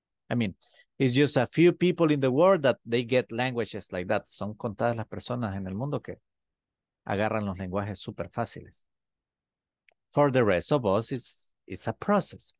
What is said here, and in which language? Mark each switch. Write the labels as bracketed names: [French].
[English] I mean, it's just a few people in the world that they get languages like that. [Spanish] Son contadas las personas en el mundo que agarran los lenguajes súper fáciles. [English] For the rest of us, it's a process.